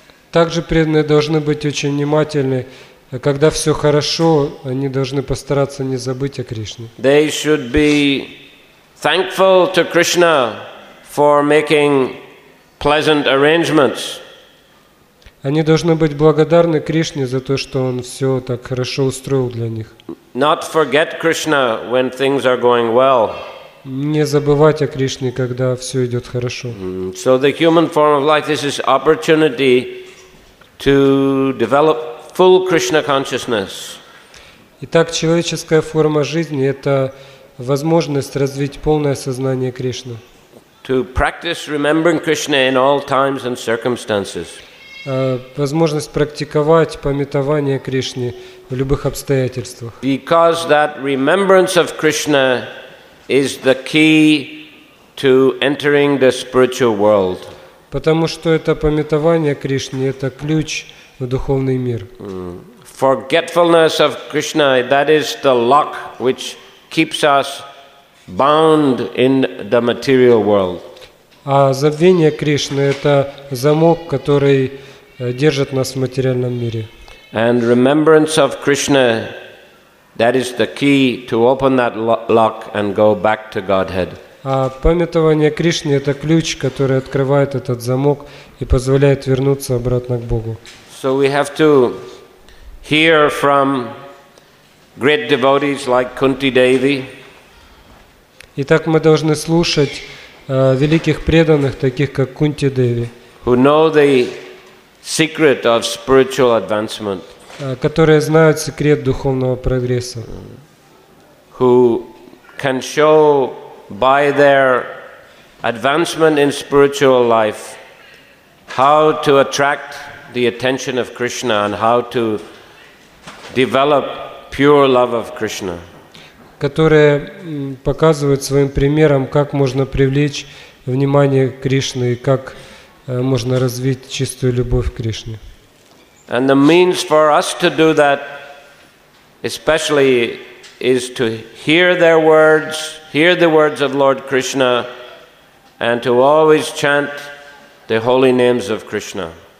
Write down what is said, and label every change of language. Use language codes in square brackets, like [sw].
[ru] Также преданные должны быть очень внимательны. Когда все хорошо, они должны постараться не забыть о Кришне. [en] They should be thankful to Krishna for making pleasant arrangements. [ru] Они должны быть благодарны Кришне за то, что Он все так хорошо устроил для них. [en] Not forget Krishna when things are going well. [ru] Не забывать о Кришне, когда все идет хорошо. [en] So the human form of life is this opportunity to develop full Krishna consciousness. [ru] Итак, человеческая форма жизни – это возможность развить полное сознание Кришны. [en] To practice remembering Krishna in all times and circumstances. [ru] Возможность практиковать памятование Кришне в любых обстоятельствах. [en] Because that remembrance of Krishna is the key to entering the spiritual world. [ru] Потому что это памятование Кришне это ключ в духовный мир. [en] Forgetfulness of Krishna, that is the lock which keeps us bound in the material world. [ru] А забвение Кришны это замок, который держит нас в материальном мире. [en] And remembrance of Krishna, that is the key to open that lock and go back to Godhead. [ru] А памятование Кришны это ключ, который открывает этот замок и позволяет вернуться обратно к Богу. [en] So we have to hear from great devotees like Kunti Devi. [ru] Итак, мы должны слушать великих преданных, таких как Кунти Деви. [en] Who know the secret of spiritual advancement. [ru] Которые знают секрет духовного прогресса. [en] Who can show by their advancement in spiritual life how to attract the attention of Krishna and how to develop pure love of Krishna. [ru] Которые показывают своим примером, как можно привлечь внимание Кришны и как можно развить чистую любовь к Кришне. [en] And the means for us to do that especially is to hear their words, hear the words of Lord Krishna and to always chant the holy names of Krishna.